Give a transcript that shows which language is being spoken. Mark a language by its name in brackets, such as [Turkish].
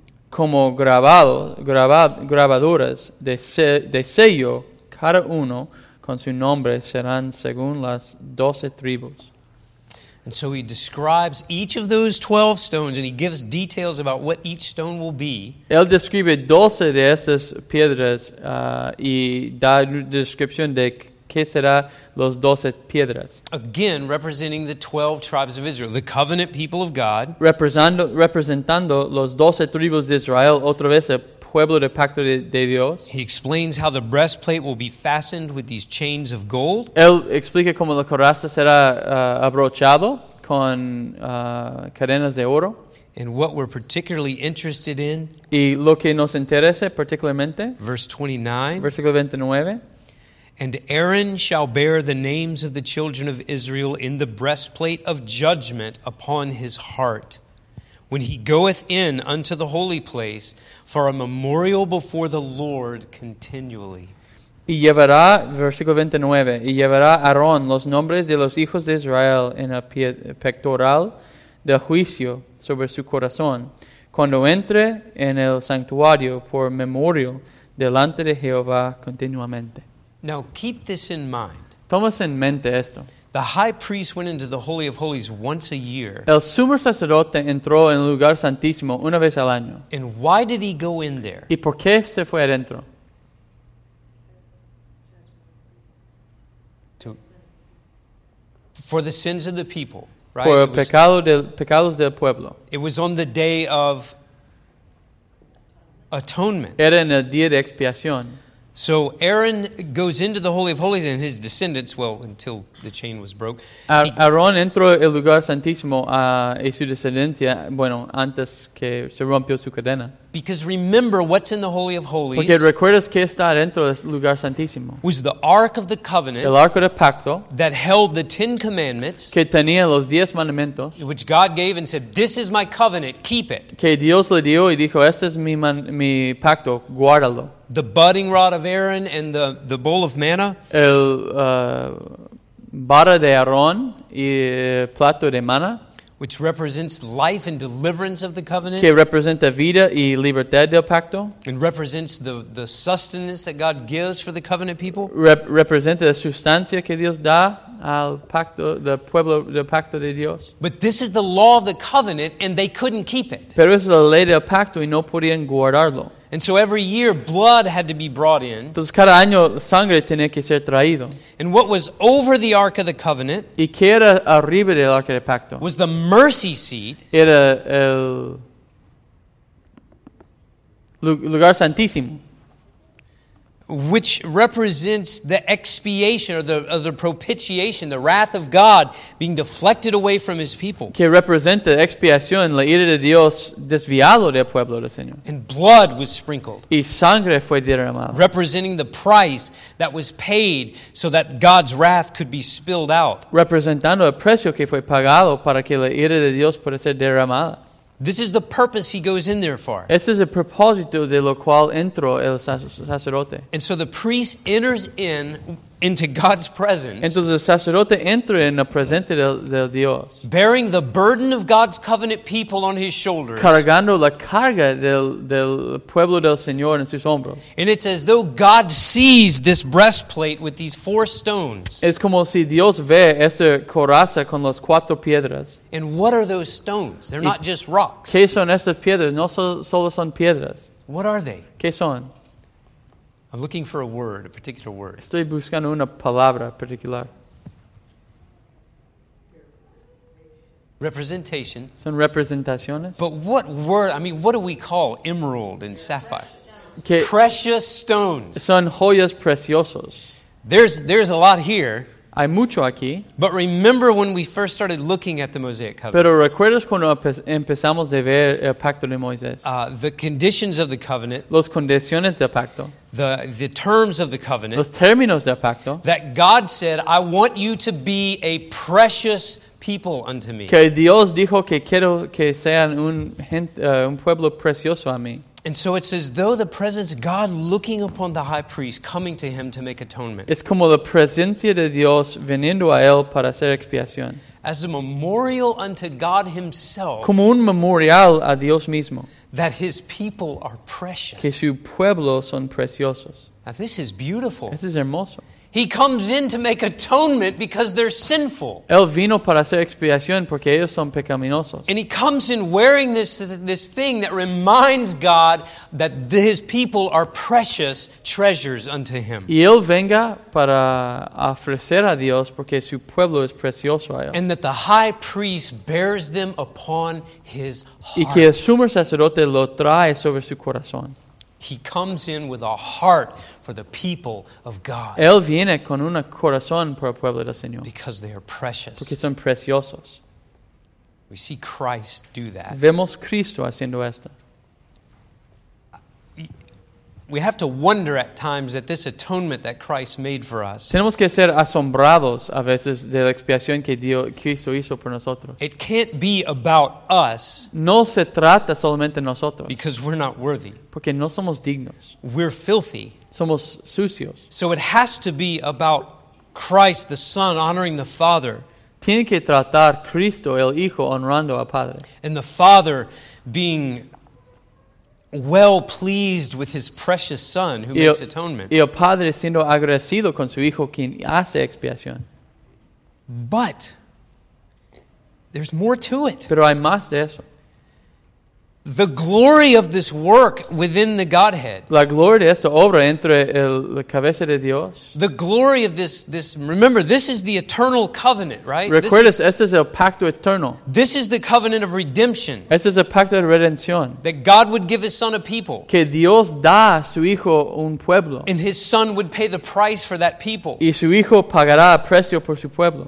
[Spanish] como grabaduras de sello, cada uno con su nombre serán según las 12 tribus. [English] And so he describes each of those 12 stones and he gives details about what each stone will be. [Spanish] Él describe 12 de esas piedras y da descripción de qué serán los 12 piedras. [English] Again, representing the 12 tribes of Israel, the covenant people of God. [Spanish] Representando los 12 tribus de Israel, otra vez el pueblo de pacto de Dios. [English] He explains how the breastplate will be fastened with these chains of gold. [Spanish] Él explica cómo la coraza será abrochado con cadenas de oro. [English] And what we're particularly interested in. [Spanish] Y lo que nos interesa particularmente. [English] Verse 29. [Spanish] Versículo 29. [English] And Aaron shall bear the names of the children of Israel in the breastplate of judgment upon his heart. When he goeth in unto the holy place for a memorial before the Lord continually. [Spanish] Y llevará, versículo 29, y llevará Aarón los nombres de los hijos de Israel en el pectoral del juicio sobre su corazón, cuando entre en el santuario por memorial delante de Jehová continuamente. [English] Now keep this in mind. [Spanish] Tomas en mente esto. [English] The high priest went into the Holy of Holies once a year. [Spanish] El sumo sacerdote entró en el lugar santísimo una vez al año. [English] And why did he go in there? [Spanish] ¿Y por qué se fue adentro? [English] For the sins of the people, right? [Spanish] Por el pecado de pecados del pueblo. [English] It was on the day of atonement. [Spanish] Era en el día de expiación. [English] So Aaron goes into the Holy of Holies and his descendants, well, until the chain was broke. [Spanish] Aaron entró el lugar santísimo y su descendencia, bueno, antes que se rompió su cadena. [English] Because remember what's in the Holy of Holies. [Spanish] Porque recuerdas que está dentro del lugar santísimo. [English] Was the Ark of the Covenant. [Spanish] El arco del pacto. [English] That held the Ten Commandments. [Spanish] Que tenía los diez mandamientos. [English] Which God gave and said, "This is my covenant, keep it." [Spanish] Que Dios le dio y dijo, "Este es mi pacto, guárdalo." [English] The budding rod of Aaron and the bowl of manna. [Spanish] El vara de Aarón y plato de manna. [English] Which represents life and deliverance of the covenant. [Spanish] Que representa vida y libertad del pacto. [English] And represents the sustenance that God gives for the covenant people. [Spanish] Representa la sustancia que Dios da al pacto, del pueblo, del pacto de Dios. [English] But this is the law of the covenant and they couldn't keep it. [Spanish] Pero es la ley del pacto y no podían guardarlo. [English] And so every year blood had to be brought in. [Spanish] Entonces cada año sangre tenía que ser traído. [English] And what was over the Ark of the Covenant? [Spanish] Y que era arriba del Arca del Pacto. [English] Was the mercy seat? [Spanish] Era el lugar santísimo. [English] Which represents the expiation or the propitiation, the wrath of God being deflected away from His people. [Spanish] Que representa expiación, la ira de Dios desviado del pueblo del Señor. [English] And blood was sprinkled. [Spanish] Y sangre fue derramada. [English] Representing the price that was paid so that God's wrath could be spilled out. [Spanish] Representando el precio que fue pagado para que la ira de Dios pueda ser derramada. [English] This is the purpose he goes in there for. [Spanish] Este es el propósito de lo cual entró el sacerdote. [English] And so the priest enters in into God's presence. [Spanish] Entonces el sacerdote entra en la presencia del Dios. [English] Bearing the burden of God's covenant people on his shoulders. [Spanish] Cargando la carga del pueblo del Señor en sus hombros. [English] And it's as though God sees this breastplate with these four stones. [Spanish] Es como si Dios ve esa coraza con las cuatro piedras. [English] And what are those stones? They're not just rocks. [Spanish] ¿Qué son esas piedras? No solo son piedras. [English] What are they? [Spanish] ¿Qué son? [English] I'm looking for a word, a particular word. [Spanish] Estoy buscando una palabra particular. [English] Representation. [Spanish] Son representaciones. [English] But what word, I mean, what do we call emerald and sapphire? Precious stones. [Spanish] Son joyas preciosos. [English] There's a lot here. [Spanish] Hay mucho aquí. [English] But remember when we first started looking at the Mosaic Covenant. [Spanish] Pero recuerdas cuando empezamos de ver el pacto de Moisés. [English] The conditions of the covenant. [Spanish] Los condiciones del pacto. [English] The terms of the covenant. [Spanish] Los términos del pacto. [English] That God said, "I want you to be a precious people unto me." [Spanish] Que Dios dijo que quiero que sean un pueblo precioso a mí. [English] And so it's as though the presence of God looking upon the high priest coming to him to make atonement. [Spanish] Es como la presencia de Dios viniendo a él para hacer expiación. [English] As a memorial unto God himself. [Spanish] Como un memorial a Dios mismo. [English] That his people are precious. [Spanish] Que su pueblo son preciosos. [English] Now this is beautiful. [Spanish] Este es hermoso. [English] He comes in to make atonement because they're sinful. [Spanish] Él vino para hacer expiación porque ellos son pecaminosos. [English] And he comes in wearing this thing that reminds God that his people are precious treasures unto him. [Spanish] Y él venga para ofrecer a Dios porque su pueblo es precioso a él. [English] And that the high priest bears them upon his heart. [Spanish] Y que el sumo sacerdote lo trae sobre su corazón. [English] He comes in with a heart for the people of God. [Spanish] Él viene con un corazón por el pueblo del Señor. [English] Because they are precious. [Spanish] Porque son preciosos. [English] We see Christ do that. [Spanish] Vemos Cristo haciendo esto. [English] We have to wonder at times at this atonement that Christ made for us. [Spanish] Tenemos que ser asombrados a veces de la expiación que Cristo hizo por nosotros. [English] It can't be about us. [Spanish] No se trata solamente de nosotros. [English] Because we're not worthy. [Spanish] Porque no somos dignos. [English] We're filthy. [Spanish] Somos sucios. [English] So it has to be about Christ the Son honoring the Father. [Spanish] Tiene que tratar Cristo el Hijo honrando al Padre. [English] And the Father being well pleased with his precious son who makes atonement. [Spanish] Y el padre siendo agradecido con su hijo quien hace expiación. [English] But there's more to it. [Spanish] Pero hay más de eso. [English] The glory of this work within the Godhead. [Spanish] La gloria de esta obra entre la cabeza de Dios. [English] The glory of this. Remember, this is the eternal covenant, right? [Spanish] Recuerdas, este es el pacto eterno. [English] This is the covenant of redemption. [Spanish] Este es el pacto de redención. [English] That God would give His Son a people. [Spanish] Que Dios da a su hijo un pueblo. [English] And His Son would pay the price for that people. [Spanish] Y su hijo pagará el precio por su pueblo.